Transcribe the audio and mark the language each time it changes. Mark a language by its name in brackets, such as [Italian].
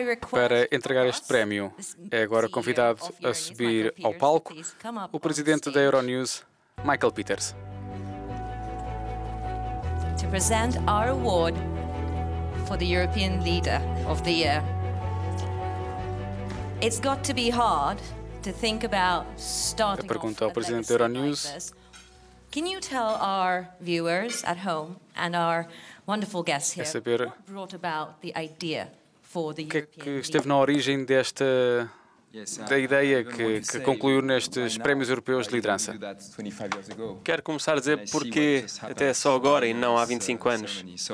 [Portuguese] Para entregar este prémio, é agora convidado a subir ao palco o presidente da Euronews, Michael Peters. [English] To present our award for the European Leader of the Year. It's got to be hard to think about starting. [Portuguese] A pergunta ao presidente da Euronews. [English] Can you tell our viewers at home and our wonderful guests here what brought about the idea? [Portuguese] O que é que esteve na origem desta da ideia que concluiu nestes prémios europeus de liderança? Quero começar a dizer porque até só agora e não há 25 anos.